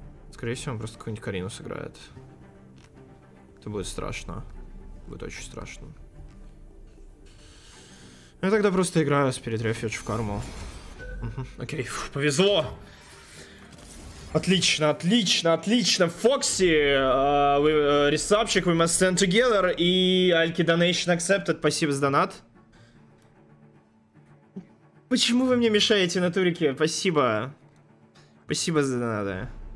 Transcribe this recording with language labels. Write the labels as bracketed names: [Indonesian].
[Russian] Скорее всего, он просто какую-нибудь Карину сыграет. Это будет страшно. Будет очень страшно. Я тогда просто играю Spirit Refuge в карму. Окей, фу, повезло. Отлично, отлично, отлично. Фокси, ресапчик, [English] we must stand together. [Russian] И Альки [English] Donation accepted. [Russian] Спасибо за донат. Почему вы мне мешаете на турике? Спасибо. Спасибо за донаты.